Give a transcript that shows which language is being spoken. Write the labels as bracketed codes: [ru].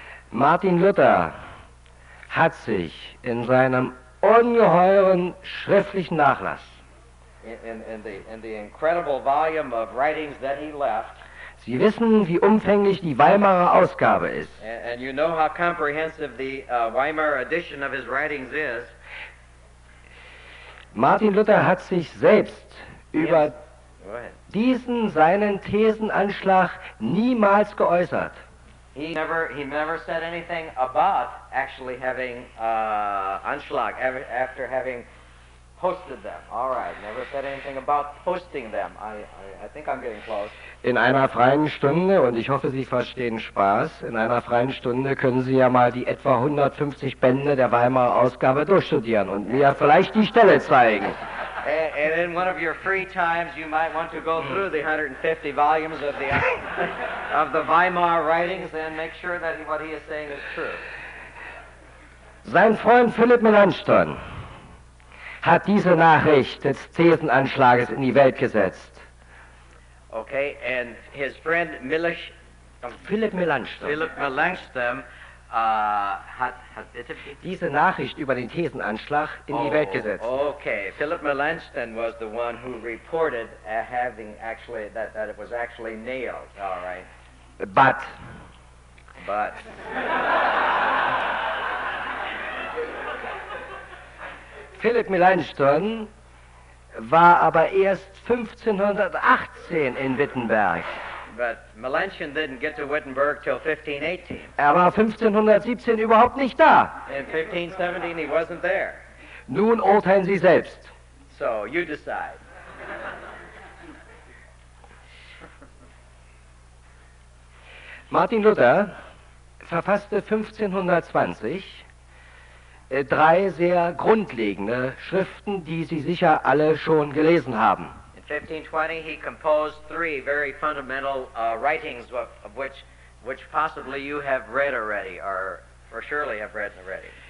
[de] Martin Luther hat sich in seinem ungeheuren schriftlichen Nachlass [en] In the incredible volume of writings that he left. [de] Sie wissen, wie umfänglich die Weimarer Ausgabe ist. [en] And you know how comprehensive the Weimar edition of his writings is. [de] Martin Luther hat sich selbst über diesen seinen Thesenanschlag niemals geäußert. [en] He never said anything about actually having Anschlag after having Posted them. All right. Never said anything about posting them. I think I'm getting close. [de] In einer freien Stunde, und ich hoffe, Sie verstehen Spaß, in einer freien Stunde können Sie ja mal die etwa 150 Bände der Weimarer Ausgabe durchstudieren und mir vielleicht die Stelle zeigen. [en] And in one of your free times, you might want to go through the 150 volumes of the Weimar writings and make sure that what he is saying is true. [de] Sein Freund Philipp Melanchthon hat diese Nachricht des Thesenanschlages in die Welt gesetzt. [en] Okay, and his friend Philipp Melanchthon. [de] Philipp Melanchthon hat diese Nachricht über den Thesenanschlag in die Welt gesetzt. [en] Okay, Philipp Melanchthon was the one who reported having actually that it was actually nailed. All right. But. [de] Philipp Melanchthon war aber erst 1518 in Wittenberg. [en] But Melanchthon didn't get to Wittenberg till 1518. [de] Er war 1517 überhaupt nicht da. [en] In 1517 he wasn't there. [de] Nun urteilen Sie selbst. [en] So, you decide. [de] Martin Luther verfasste 1520 drei sehr grundlegende Schriften, die Sie sicher alle schon gelesen haben. [en] In 1520 he composed three very fundamental writings of which possibly you have read already or for surely have read already.